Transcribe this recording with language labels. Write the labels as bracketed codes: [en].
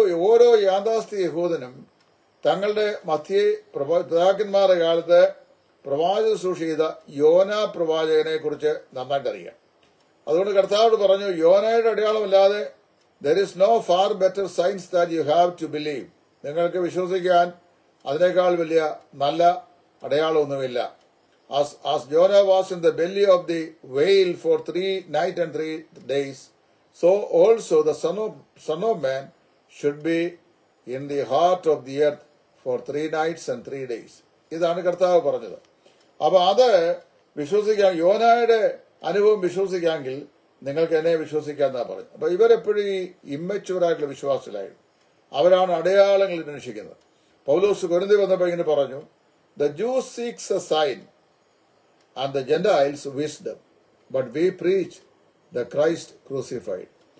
[ml] ഓരോ യാഥാസ്ഥിതി യഹൂദനും തങ്ങളുടെ മധ്യേ പിതാക്കന്മാരുടെ കാലത്ത് പ്രവാചക സൂക്ഷിത യോന പ്രവാചകനെ കുറിച്ച് നന്നായിട്ടറിയാം. അതുകൊണ്ട് കർത്താവോട് പറഞ്ഞു, യോനയുടെ അടയാളമല്ലാതെ [en] There is no far better signs that you have to believe. [ml] നിങ്ങൾക്ക് വിശ്വസിക്കാൻ അതിനേക്കാൾ വലിയ നല്ല അടയാളമൊന്നുമില്ല. [en] As Jonah was in the belly of the whale for 3 nights and 3 days, so also the son of man should be in the heart of the earth for 3 nights and 3 days. [ml] ഇതാണ് കർത്താവ് പറഞ്ഞത്. അപ്പോൾ അത് വിശ്വസിക്കാൻ, യോനയുടെ അനുഭവം വിശ്വസിക്കാമെങ്കിൽ നിങ്ങൾക്ക് എന്നെ വിശ്വസിക്കാന്നാ പറഞ്ഞു. അപ്പൊ ഇവരെപ്പോഴും ഈ ഇമ്മച്ചുവരായിട്ടുള്ള വിശ്വാസത്തിലായിരുന്നു. അവരാണ് അടയാളങ്ങൾ അന്വേഷിക്കുന്നത്. പൗലോസ് കൊരിന്ത്യ വന്നപ്പോ ഇങ്ങനെ പറഞ്ഞു, [en] The Jews seeks a sign and the Gentiles wisdom, but we preach the Christ crucified.